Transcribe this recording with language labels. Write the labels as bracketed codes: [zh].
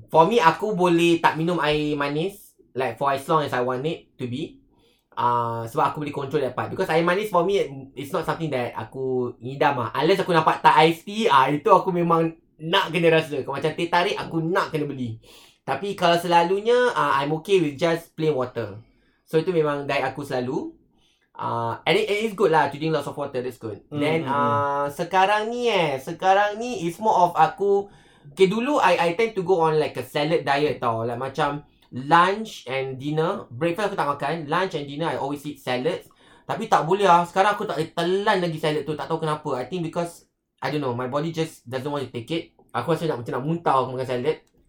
[en] For me, [ms] aku boleh tak minum air manis. [en] Like for as long as I want it to be. [ms] Sebab aku boleh [en] control that part. Because air manis for me, it's not something that [ms] aku ngidam lah. Unless aku nampak tak iced tea, itu aku memang nak kena rasa. Kalau macam teh tarik, aku nak kena beli. Tapi kalau selalunya, [en] I'm okay with just plain water. [ms] So itu memang diet aku selalu. [en] And it's good lah, to drink lots of water, that's good. Then [ms] sekarang ni [en] it's more of aku. Okay, dulu I tend to go on like a salad diet tau. Like macam lunch and dinner. [ms] Breakfast aku tak makan. [en] Lunch and dinner I always eat salads. [ms] Tapi tak boleh lah. Sekarang aku tak boleh telan lagi salad tu. Tak tahu kenapa. [en] I think because I don't know, my body just doesn't want to take it. [ms] Aku rasa nak muntah makan salad.